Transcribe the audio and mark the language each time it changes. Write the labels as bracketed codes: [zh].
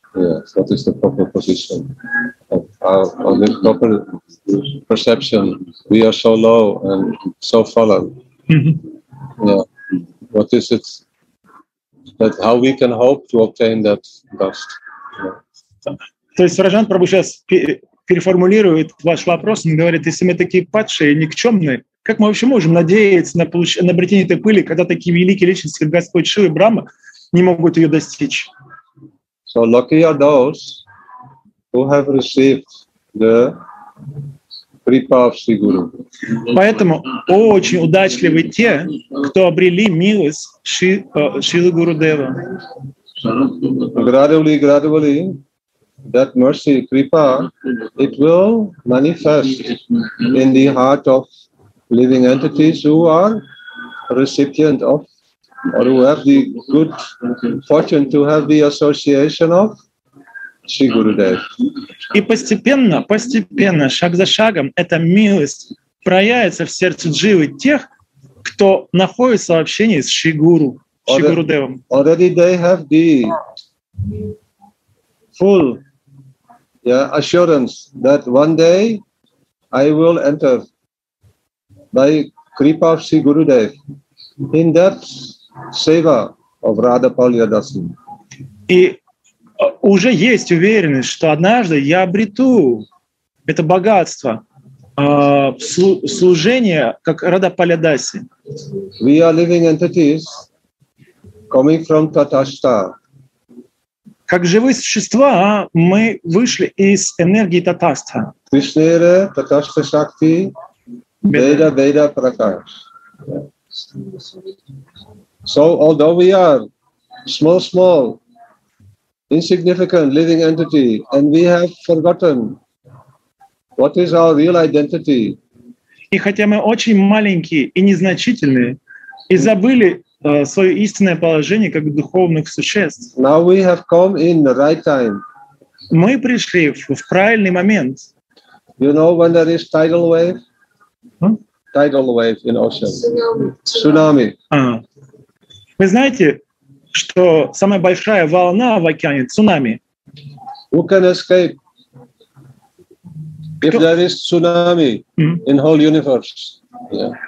[en] Yes, what is the proper position of of the proper perception. We are so low and so fallen. Mm-hmm. Yeah. What is it that how we can hope to obtain that dust? [ru] То есть Раджан Прабху сейчас переформулирует ваш вопрос. Он говорит, если мы такие падшие, никчемные, как мы вообще можем надеяться на обретение этой пыли, когда такие великие личности, как Господь Шива и Брахма, не могут ее достичь? [en] So lucky are those who have received the kripa of Sri Guru. [ru] Поэтому очень удачливы те, кто обрели милость Шилы Гуру Дева. [en] Gradually, that mercy, kripa, it will manifest in the heart of living entities who are recipient of, or who have the good fortune to have the association of Sri Gurudev. [ru] И постепенно, шаг за шагом, эта милость проявится в сердце дживы тех, кто находится в общении с Шри Гуру, Шри Гурудевом. [en] Already they have the full assurance that one day I will enter by kripa of Sri Gurudev in that seva of Radha Palyadasi. [ru] И уже есть уверенность, что однажды я обрету это богатство служение как Радха Палядаси. [en] We are living entities coming from Tathashta. [ru] Как живые существа, мы вышли из энергии Татастха. Кришнере, Татастха Шакти, Веда, Веда Пракаш. [en] So, although we are small, insignificant living entity, and we have forgotten what is our real identity. [ru] И хотя мы очень маленькие и незначительные, и забыли свое истинное положение как духовных существ. [en] Now we have come in the right time. [ru] Мы пришли в правильный момент. [en] You know when there is tidal wave? Tidal wave in ocean. Tsunami. [ru] Вы знаете, что самая большая волна в океане — цунами. [en] Who can escape if there is tsunami in whole universe?